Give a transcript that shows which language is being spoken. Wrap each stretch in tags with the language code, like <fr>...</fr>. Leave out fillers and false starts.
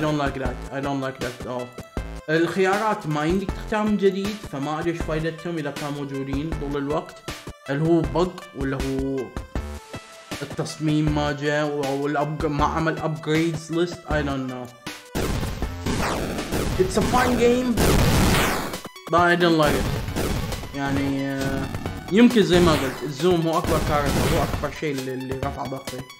<en>I don't like that at all.</en> <ar>الخيارات ما يمديك تختار من جديد، فما ادري ايش فايدتهم اذا كانوا موجودين طول الوقت. هل هو بق ولا هو التصميم ما جاء ما عمل upgrades list؟</ar> <en>I don't know. It's a fine game but I don't like it.</en> <ar>يعني يمكن زي ما قلت الزوم هو أكبر كارثة، هو أكبر شيء اللي رفع ضغطي.</ar>